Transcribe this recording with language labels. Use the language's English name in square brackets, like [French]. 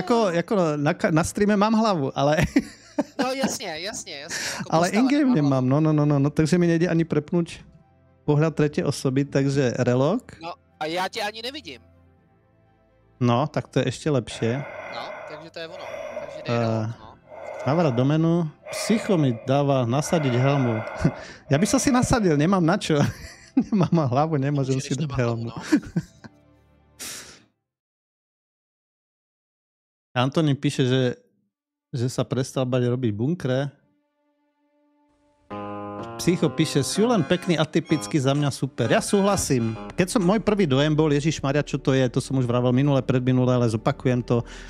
[Czech] jako na streame mám hlavu, ale... No jasně. Jako ale in-game nemám, no, takže mi nejde ani prepnout pohled třetí osoby, takže relog. No a já tě ani nevidím. No, tak to je ještě lepší. No, takže to je ono, takže nejde relog, no. Navrát do menu, psycho mi dává nasadit helmu. Já bych se si nasadil, [Slovak] nemám na čo. [Czech] Nemám hlavu, nemůžu si dát helmu. No. [Slovak] Antonín píše, že sa prestal bať robiť bunkre. Psycho píše, sú len pekný, atypický, za mňa super. Ja súhlasím. Keď som, môj prvý dojem bol, Ježišmaria, čo to je, to som už vravel minule, predminule, ale zopakujem to.